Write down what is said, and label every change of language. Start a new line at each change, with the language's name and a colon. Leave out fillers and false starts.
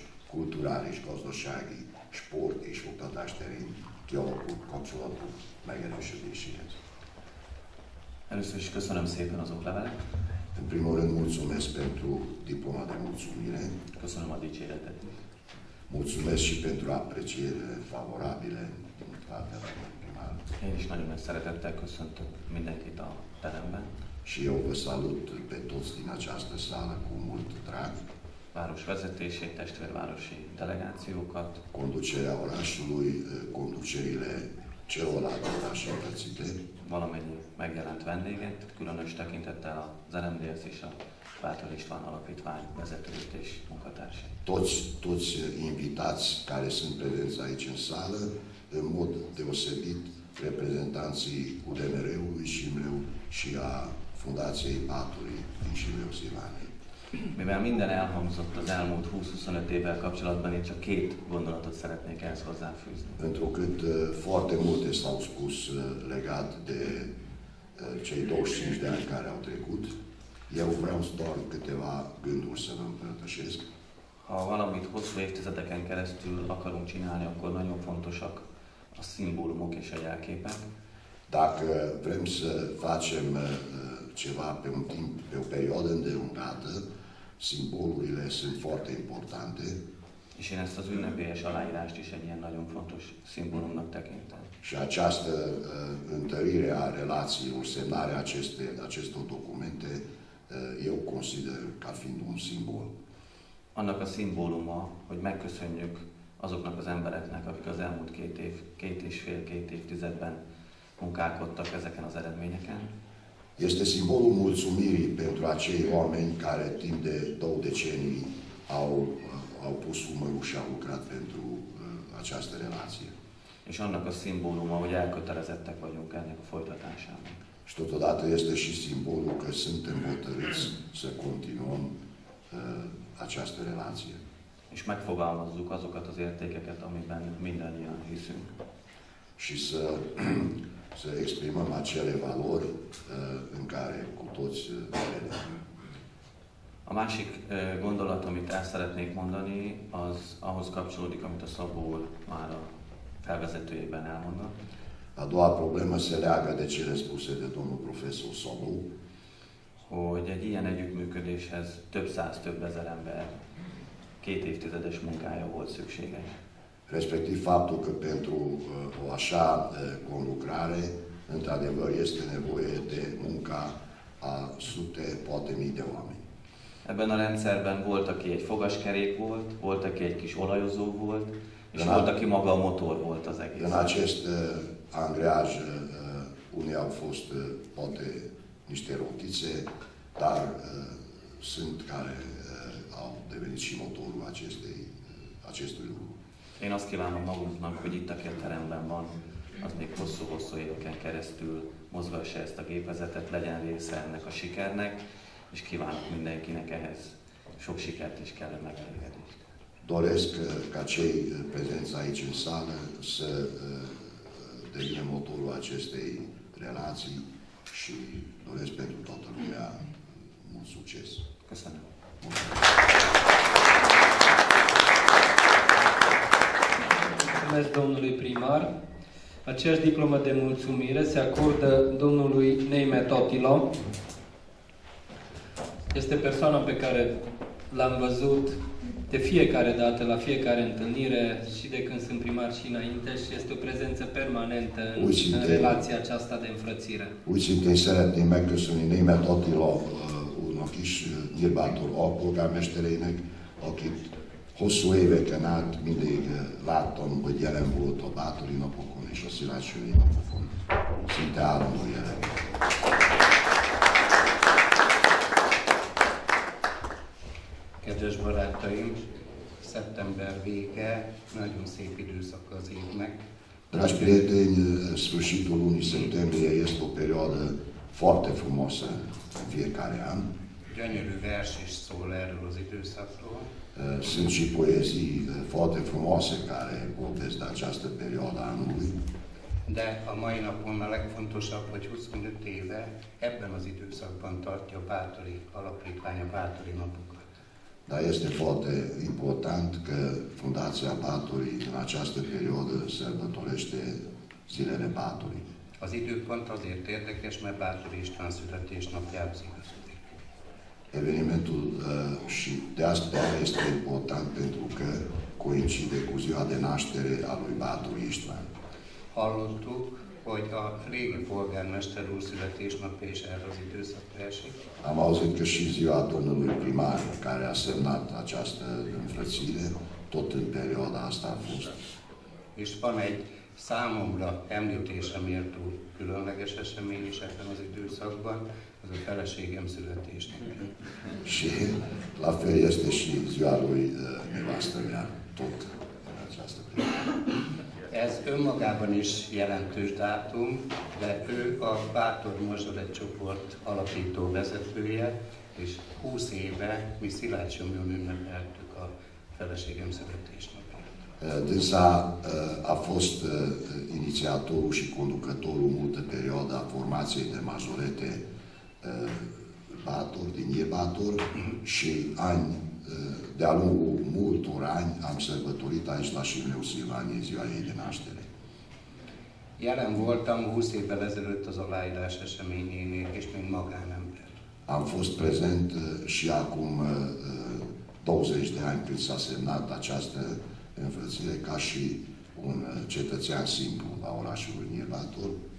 Hungarian: Kulturális, gazdasági, sport és oktatás terén kialakult kapcsolatok megerősödéséhez. Először is köszönöm szépen az oklevelet.
Romanian: En primo rând mulțumesc pentru diploma de mulțumire.
Hungarian: Köszönöm a dicséretet.
Romanian: Mulțumesc și pentru apreciere favorabile din partea primarului.
Hungarian: Én is nagyon nagy szeretettel köszöntök mindenkit a teremben.
Romanian: Și eu vă salut pe toți din această sală cu mult drag.
Hungarian: Város vezetését, testvérvárosi delegációkat.
Romanian: Conducerea orașului, conducerile celorlalte orașe.
Hungarian: Valamennyi megjelent vendéget, különös tekintettel a ZRMDS és a Bátor István Alapítvány vezetőjét és munkatársát.
Romanian: Toți invitați care sunt prezenți aici în sală, în mod deosebit reprezentanții UDMR-ului Șimleu și a Fundației Bátori din Șimleu Silvanie.
Hungarian: Mivel minden elhangzott az elmúlt 20-25 évvel kapcsolatban, én csak két gondolatot szeretnék ehhez hozzáfűzni.
Romanian: Întrucât foarte multe s-au spus legat de cei 25 de ani care au trecut, eu vreau doar câteva gânduri să vă împărtășesc.
Hungarian: Ha valamit hosszú évtizedeken keresztül akarunk csinálni, akkor nagyon fontosak a szimbólumok és a jelképek.
Romanian: Dacă vrem să facem ceva pe un timp, pe o perioadă îndelungată, simbolurile sunt foarte importante.
Hungarian: És én ezt az ünnepélyes aláírást is egy ilyen nagyon fontos szimbólumnak tekintem.
Romanian: Și această întărire a relațiilor, semnarea acestor documente, eu consider ca fiind un simbol.
Hungarian: Annak a szimbóluma, hogy megköszönjük azoknak az embereknek, akik az elmúlt két év, két és fél, két évtizedben munkálkodtak ezeken az eredményeken.
Romanian: Este simbolul mulțumirii pentru acei oameni care timp de două decenii au pus umărul și au lucrat pentru această relație.
Hungarian: És annak a szimbóluma, hogy elkötelezettek vagyunk ennek a folytatásának.
Romanian: Și totodată este și simbolul că suntem hotărâți să continuăm această relație.
Hungarian: És megfogalmazzuk azokat az értékeket, amiben mindannyian hiszünk.
Romanian: Și să exprimăm acele valori în care cu toți credem.
Hungarian: A másik gondolat, amit el szeretnék mondani, az ahhoz kapcsolódik, amit a Szabó úr már a felvezetőjében elmondott.
Romanian: A doua problemă se leagă de cele spuse de domnul profesor Szabó.
Hungarian: Hogy egy ilyen együttműködéshez több száz, több ezer ember két évtizedes munkája volt szüksége.
Romanian: Respectiv faptul că pentru o așa conlucrare, într-adevăr, este nevoie de munca a sute, poate mii de oameni.
Hungarian: Ebben a rendszerben volt, aki egy fogaskerék volt, volt, aki egy kis olajozó volt, és volt, aki maga a motor volt az egész.
Romanian: În acest angreaj unii au fost poate niște rotițe, dar sunt care au devenit și motorul acestui lucru.
Hungarian: Én azt kívánom magunknak, hogy itt, aki a teremben van, az még hosszú-hosszú éveken keresztül mozgassa ezt a gépezetet, legyen része ennek a sikernek, és kívánok mindenkinek ehhez sok sikert és kellene megelégedést.
Romanian: Doresc ca cei prezenți aici în sală să devină motorul acestei relații și doresc pentru toată lumea mult succes. Căsănă-mă. Mulțumesc domnului primar. Aceeași diplomă de mulțumire se acordă domnului Neime Totilo. Este persoana pe care l-am văzut de fiecare dată, la fiecare întâlnire, și de când sunt primar și înainte, și este o prezență permanentă în relația aceasta de înfrățire. Uite,
Hungarian: szeretném megköszönni Neime Totilo úrnak is, nyilvántól alpolgármesterének, akit hosszú éveken át mindig láttam, hogy jelen volt a bátori napokon és a szilágysői napokon. Szinte állandó jelen. Kedves barátaim, szeptember vége, nagyon szép időszak az évnek.
Romanian: Dragi prieteni, sfârșitul lunii septembrie este o perioadă foarte frumoasă în fiecare an.
Hungarian: Gyönyörű vers is szól erről az időszakról.
Romanian: Sunt și poezii foarte frumoase care vorbesc de această perioadă anului.
Hungarian: De a mai napon a legfontosabb, hogy 25 éve ebben az időszakban tartja a Bátori Alapítvány a Bátori Napokat.
Romanian: Dar este foarte important că Fundația Bátori în această perioadă sărbătorește zilele Bátori.
Hungarian: Az időpont azért érdekes, mert Bátori István születésnapjához igazodik.
Romanian: Evenimentul și de asta este important pentru că coincide cu ziua de naștere a lui Bátori István.
Hungarian: Hallottuk, hogy a régi polgármester úr születésnapja is erre az időszakra esik.
Romanian: Am auzit că și ziua domnului primar, care a semnat această înfrățire, tot în perioada asta a fost.
Hungarian: És van egy számomra említése méltó különleges esemény is ebben az időszakban, az a feleségem születésnapja.
Romanian: Și la fel este și ziua lui nevastă mea, tot în această perioadă.
Hungarian: Ez önmagában is jelentős dátum, de ő a Bátor Mozsolet csoport alapító vezetője, és 20 éve mi Szilágysomjon ünnepeltük a feleségem születésnapját.
Romanian: Dânsa a fost inițiatorul și conducătorul multă perioadă a formației de Mozsolete Bátor, din Bátor, și ani, de-a lungul multor ani, am sărbătorit aici la Simeu Silvanie ziua ei de naștere.
Hungarian: Jelen voltam 20 évvel ezelőtt az aláírás eseményénél, és még magánember.
Romanian: Am fost prezent și acum 20 de ani, când s-a semnat această înfrățire, ca și un cetățean simplu la orașul Bátor.